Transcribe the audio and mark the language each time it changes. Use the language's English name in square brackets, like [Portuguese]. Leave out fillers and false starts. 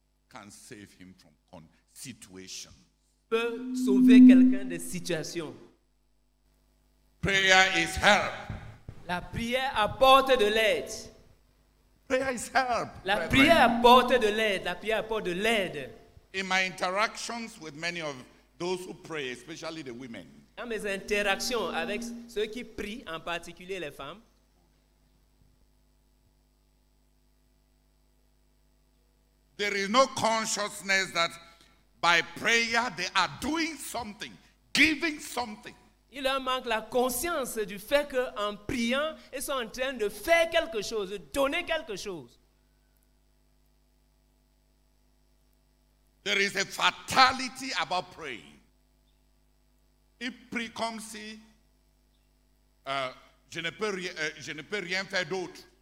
[English] can save him from situation, [French] peut sauver quelqu'un des situations. [English] Prayer is help. [French] La prière apporte de l'aide. [English] Prayer is help. [French] La prière apporte de l'aide. La prière apporte de l'aide. [English] In my interactions with many of those who pray, especially the women. [French] Dans mes interactions avec ceux qui prient, en particulier les femmes. [English] There is no consciousness that by prayer they are doing something, giving something. [French] Il leur manque la conscience du fait qu'en priant, ils sont en train de faire quelque chose, de donner quelque chose. [English] There is a fatality about praying. [French] Il prie comme si je ne peux rien faire d'autre.